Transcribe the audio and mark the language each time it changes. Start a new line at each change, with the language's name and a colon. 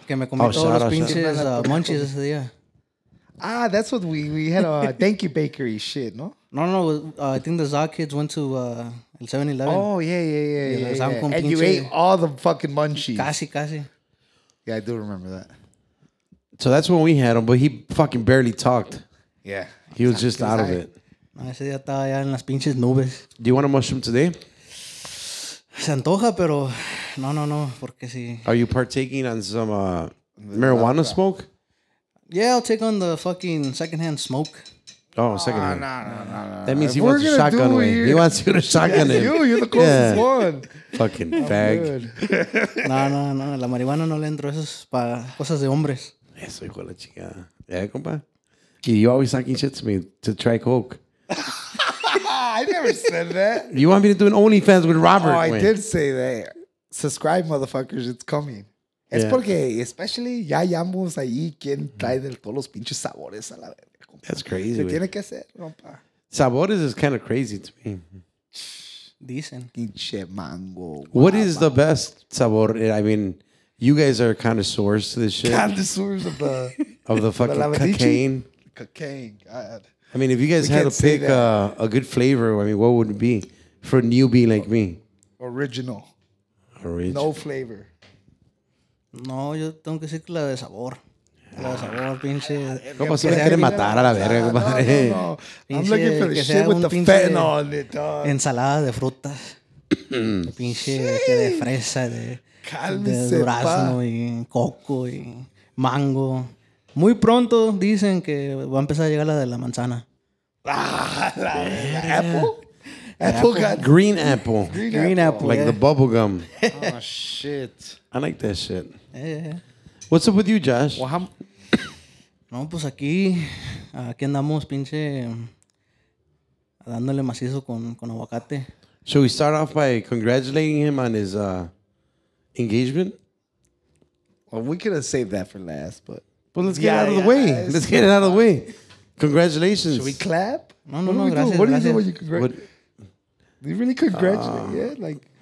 Spanish: Que me comí todos los pinches munchies ese día.
English: Ah, that's what we had a thank you bakery shit, no? No. I think the Za kids went to. 7-Eleven. Oh, yeah. And pinche. You ate all the fucking munchies.
Spanish: Casi.
English: Yeah, I do remember that. So that's when we had him, but he fucking barely talked. Yeah. He was just out of it.
Spanish: Ese día estaba ya en las pinches nubes.
English: Do you want a mushroom today?
Spanish: Se antoja, pero no, porque sí.
English: Are you partaking on some marijuana smoke? Yeah, I'll take on the fucking secondhand smoke. Oh, secondhand. No. That means he wants a shotgun. He wants you to shotgun him. You're the closest one. Fucking fag.
Spanish: No. La marihuana no le entro. Eso es para cosas de hombres. Eso, hijo de la chingada. Yeah, compa.
English: You always talking shit to me to try coke. I never said that. You want me to do an OnlyFans with Robert? Oh, I did say that. Subscribe, motherfuckers. It's coming.
Spanish: Es porque, especially, ya hayamos ahí quien trae de todos los pinches sabores a la vez.
English: That's crazy.
Spanish: Se tiene que hacer, compa.
English: Sabores is kind of crazy to me.
Spanish: Dicen. Pinche mango.
English: What is the best sabor? I mean, you guys are connoisseurs to this shit. Connoisseurs of the... of the fucking cocaine. Cocaine. God. I mean, if you guys had to pick a good flavor, I mean, what would it be for a newbie like me? Original. Original. No flavor.
Spanish: No, yo tengo que decir la de sabor. La de sabor, pinche. ¿Cómo se me quiere matar a la verga, compadre? No, no, no.
English: I'm looking for the shit with the fentanyl in it, dog.
Spanish: Ensalada de frutas. Pinche sí. De fresa, de durazno y coco y mango. Muy pronto dicen que va a empezar a llegar la de la manzana. Ah, la de la apple.
English: Apple got green apple. Green apple. Like yeah. The bubble gum. Oh, shit. I like that shit. Yeah. What's up with you, Josh? Well,
Spanish: no, pues aquí andamos, pinche, dándole macizo con aguacate.
English: Should we start off by congratulating him on his engagement? Well, we could have saved that for last, but. Well, let's get it out of the way. Let's get it out of the way. Congratulations. Should we clap?
Spanish: No, no, no, gracias.
English: What do you do when you congratulate? Do you really congratulate? Yeah, like.